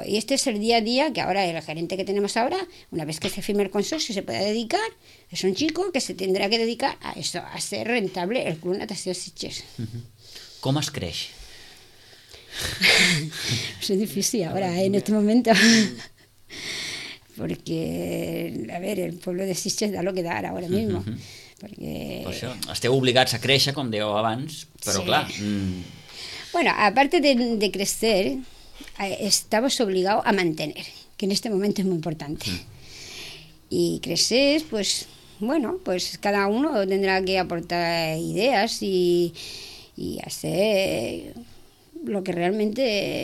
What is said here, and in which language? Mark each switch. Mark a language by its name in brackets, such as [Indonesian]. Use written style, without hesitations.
[Spanish] Y este es el día a día, que ahora el gerente que tenemos ahora, una vez que se firme el consorcio, se pueda dedicar, es un chico que se tendrá que dedicar a eso, a ser rentable el Club Natació Sitges. [Catalan] ¿Cómo es creix? [Spanish] Es difícil ahora, en este momento. Porque, a ver, el pueblo de Sitges da lo que da ahora mismo. Porque... [Catalan] Pues això, esteu obligats a créixer, com dèieu abans, però sí. Clar... [Spanish] Bueno, aparte de crecer, estamos obligados a mantener, que en este momento es muy importante. Y crecer, pues, bueno, pues cada uno tendrá que aportar ideas y hacer lo que realmente...